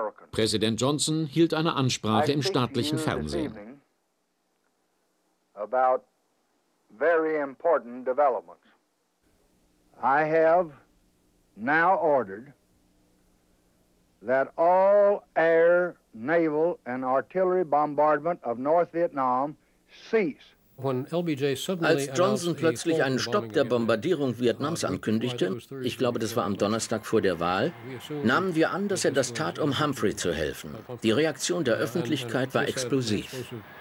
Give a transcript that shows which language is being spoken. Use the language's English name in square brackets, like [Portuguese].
[German] Präsident Johnson hielt eine Ansprache im staatlichen Fernsehen. [English] About very important developments. I have now ordered that all air, naval, and artillery bombardment of North Vietnam cease. [German] Als Johnson plötzlich einen Stopp der Bombardierung Vietnams ankündigte, ich glaube, das war am Donnerstag vor der Wahl, nahmen wir an, dass er das tat, um Humphrey zu helfen. Die Reaktion der Öffentlichkeit war explosiv.